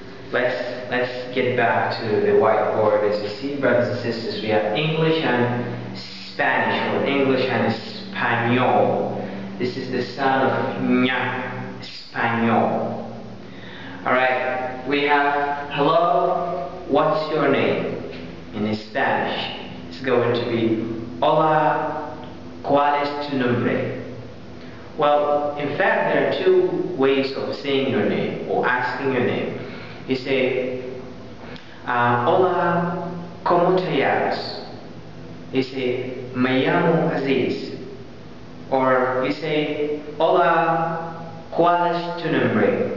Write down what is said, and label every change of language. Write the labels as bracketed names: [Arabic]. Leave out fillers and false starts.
[English] Let's get back to the whiteboard. As you see, brothers and sisters, we have English and Spanish, or English and Espanol. This is the sound of ña, Espanol. All right, we have hello, what's your name? In Spanish, it's going to be [Spanish] hola, ¿cuál es tu nombre? [English] Well, in fact, there are two ways of saying your name or asking your name. You say, [Spanish] hola, ¿cómo te llamas? [English] You say, [Spanish] me llamo Aziz. [English] Or you say, [Spanish] hola, ¿cuál es tu nombre?